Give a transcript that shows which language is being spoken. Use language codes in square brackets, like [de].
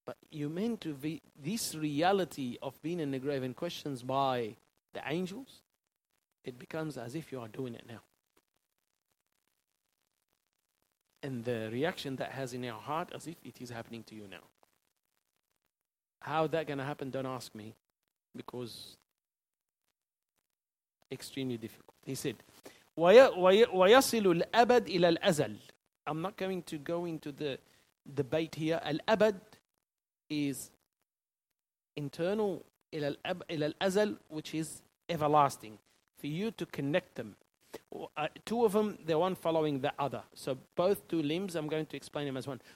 [en] You meant to be this reality of being in the grave and questions by the angels, it becomes as if you are doing it now. And the reaction that has in your heart as if it is happening to you now. How that gonna happen, don't ask me, because extremely difficult. He said, [ar] وَيَصِلُ الْأَبَدْ إِلَى الْأَزَلِ. [en] I'm not going to go into the debate here. Al-Abad is internal ila al-azal, which is everlasting. For you to connect them, two of them, the one following the other. So both two limbs, I'm going to explain them as one.